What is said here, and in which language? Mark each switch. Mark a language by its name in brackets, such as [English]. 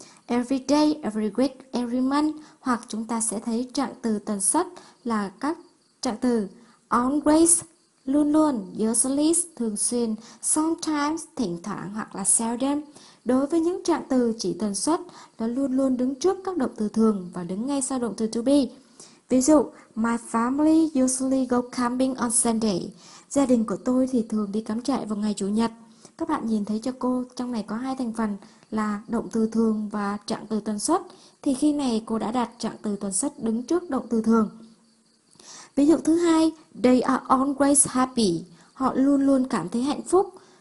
[English] Every day, every week, every month, [Vietnamese] hoặc chúng ta sẽ thấy trạng từ tần suất là các trạng từ always, luôn luôn, usually, thường xuyên, sometimes, thỉnh thoảng hoặc là seldom. Đối với những trạng từ chỉ tần suất, nó luôn luôn đứng trước các động từ thường và đứng ngay sau động từ to be. Ví dụ, [English] my family usually go camping on Sunday. [Vietnamese] Gia đình của tôi thì thường đi cắm trại vào ngày chủ nhật. Các bạn nhìn thấy cho cô, trong này có hai thành phần là động từ thường và trạng từ tần suất. Thì khi này cô đã đặt trạng từ tần suất đứng trước động từ thường. Ví dụ thứ hai, [English] they are always happy. [Vietnamese] Họ luôn luôn cảm thấy hạnh phúc.